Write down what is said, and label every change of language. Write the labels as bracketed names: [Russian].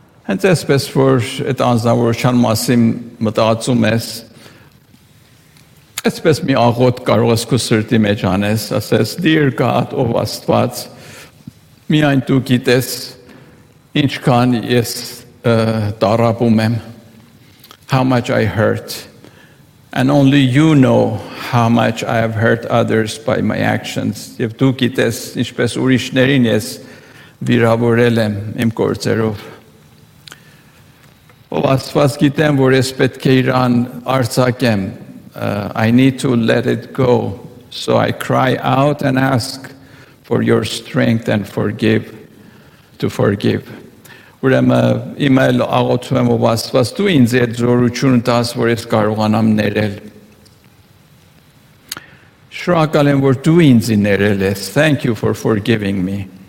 [Armenian] Հենց այսպես, որ այդ անձնավորության մասին մտածում ես, այսպես մի աղոտ կարող ես քո սրտի մեջ անես, ասես, [English] Dear God, [Armenian] ով Աստված, միայն դու գիտես, ինչքան ես տառապում եմ, [English] how much I hurt, and only you know how much I have hurt others by my actions. [Armenian] Եվ դու գիտես, ինչպես ուրիշներին ես վիրավորել եմ իմ գործերով։ Ով Աստված, գիտեմ, որ ես պետք է իրան արձակեմ, [English] I need to let it go So I cry out and ask for your strength and forgive to forgive. [Armenian] Ուրեմն իմ այլ աղոթումով Աստված դու ինձ այդ զորությունը տաս, որ ես կարողանամ ներել։ Շնորհակալ եմ, որ դու ինձ ներել ես. [English] Thank you for forgiving me.